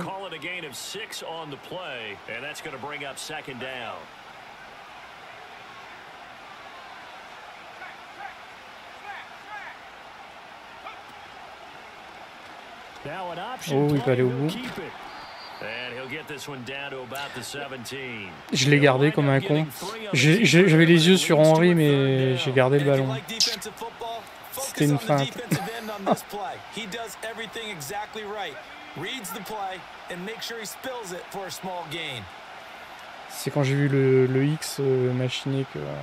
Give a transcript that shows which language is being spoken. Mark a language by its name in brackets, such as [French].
[English] Call it a gain of 6 on the play, and that's going to bring up second down. Now an option. [French] Oh, il va aller au bout. [English] And he'll get this one down to about the 17. [French] Je l'ai gardé comme un con. J'avais les yeux sur Henry, mais j'ai gardé le ballon. C'était une feinte. [English] He does everything exactly right. Reads the play and makes sure he spills it for a small gain. [French] C'est quand j'ai vu le X machiner que.